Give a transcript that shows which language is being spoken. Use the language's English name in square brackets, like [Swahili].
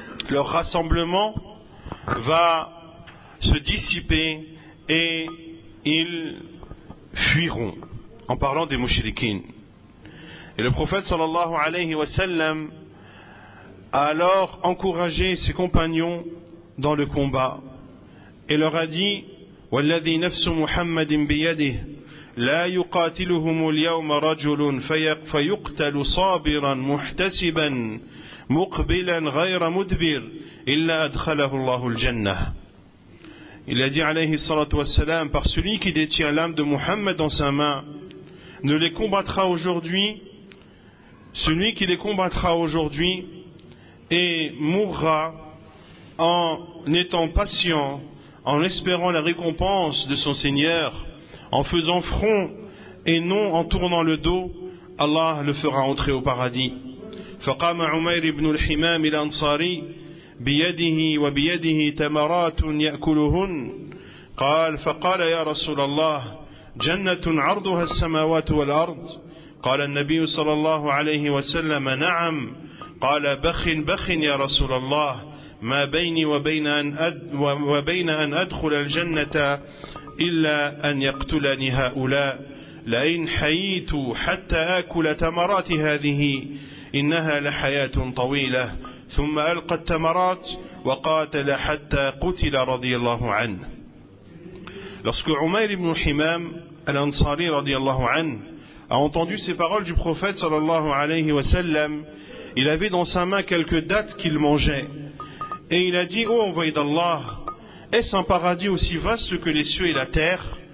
[French] Leur rassemblement va se dissiper et ils fuiront, en parlant des mouchriquins. Et le prophète sallallahu alayhi wa sallam a alors encouragé ses compagnons dans le combat. Et leur a dit, [Arabic] والذي نفس محمد بيده لا يقاتلهم اليوم رجل فيقتل صابرا محتسبا مقبلا غير مدبر إلا أدخله الله الجنة. [French] Il a dit [Arabic] عليه الصلاة والسلام: [French] par celui qui détient l'âme de Muhammad dans sa main, ne les combattra aujourd'hui, celui qui les combattra aujourd'hui et mourra en étant patient, en espérant la récompense de son Seigneur, en faisant front et non en tournant le dos, Allah le fera entrer au paradis. [Arabic] فقام عمير بن الحمام الأنصاري بيده وبيده تمرات يأكلهن قال فقال يا رسول الله جنة عرضها السماوات والأرض قال النبي صلى الله عليه وسلم نعم قال بخ بخ يا رسول الله ما بيني وبين أن أدخل الجنة إلا أن يقتلني هؤلاء لئن حييت حتى أكل تمرات هذه إنها لحياة طويلة ثم ألقى التمرات وقاتل حتى قتل رضي الله عنه. [French] Lorsque Umayr ibn Himam al-Ansari radiyallahu anhu a entendu ces paroles du prophète sallallahu alayhi wa sallam, il avait dans sa main quelques dattes qu'il mangeait et il a dit: ô envoyé d'Allah, est-ce un paradis aussi vaste que les cieux et la terre?